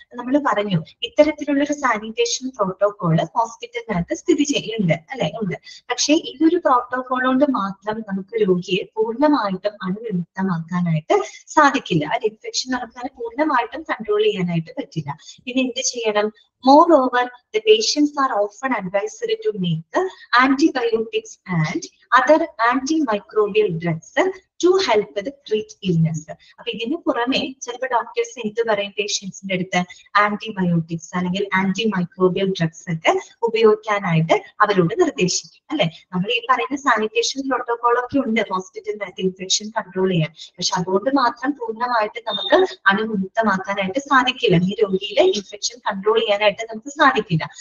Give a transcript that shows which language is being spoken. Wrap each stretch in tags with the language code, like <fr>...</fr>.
<ml>നമ്മൾ പറഞ്ഞു ഇത്തരത്തിലുള്ള ഒരു സാനിറ്റേഷൻ പ്രോട്ടോകോള് ഹോസ്പിറ്റലിനകത്ത് സ്ഥിതി ചെയ്യുന്നുണ്ട് അല്ലെ, ഉണ്ട്. പക്ഷേ ഈ ഒരു പ്രോട്ടോകോൾ കൊണ്ട് മാത്രം നമുക്ക് രോഗിയെ പൂർണ്ണമായിട്ടും അണുവിമുക്തമാക്കാനായിട്ട് സാധിക്കില്ല, അത് ഇൻഫെക്ഷൻ നടക്കാൻ പൂർണ്ണമായിട്ടും കൺട്രോൾ ചെയ്യാനായിട്ട് പറ്റില്ല. ഇനി എന്ത് ചെയ്യണം?</ml> <en>Moreover, the patients are often advised to make antibiotics and other antimicrobial drugs to help to treat illness.</en> <ml>അപ്പൊ ഇതിന് പുറമെ ചിലപ്പോ ഡോക്ടേഴ്സ് എന്ത് പറയും പേഷ്യൻസിന്റെ അടുത്ത്, ആന്റിബയോട്ടിക്സ് അല്ലെങ്കിൽ ആന്റി മൈക്രോബിയൽ ഡ്രഗ്സ് ഒക്കെ ഉപയോഗിക്കാനായിട്ട് അവരോട് നിർദ്ദേശിക്കും അല്ലെ. നമ്മൾ ഈ പറയുന്ന സാനിറ്റേഷൻ പ്രോട്ടോകോൾ ഒക്കെ ഉണ്ട് ഹോസ്പിറ്റലിനകത്ത് ഇൻഫെക്ഷൻ കൺട്രോൾ ചെയ്യാൻ, പക്ഷെ അതുകൊണ്ട് മാത്രം പൂർണ്ണമായിട്ട് നമുക്ക് അണുമുക്തമാക്കാനായിട്ട് സാധിക്കില്ല, ഈ രോഗിയിലെ ഇൻഫെക്ഷൻ കൺട്രോൾ ചെയ്യാനായിട്ട് നമുക്ക് സാധിക്കില്ല.</ml>